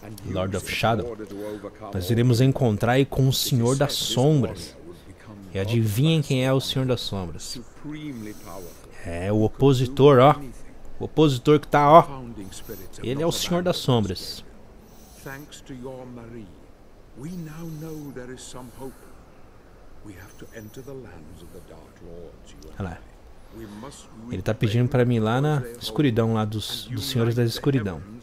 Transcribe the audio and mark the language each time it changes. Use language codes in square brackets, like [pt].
[pt] Lord of Shadow, nós iremos encontrar aí com o Senhor das Sombras, e adivinhem quem é o Senhor das Sombras, é o opositor, ó, O opositor que tá, ó. Ele é o Senhor das Sombras. [en] Thanks to your Marie, we now know there is some hope. We have to enter the lands of the Dark Lords. [pt] Ele tá pedindo para mim ir lá na escuridão lá dos senhores da escuridão.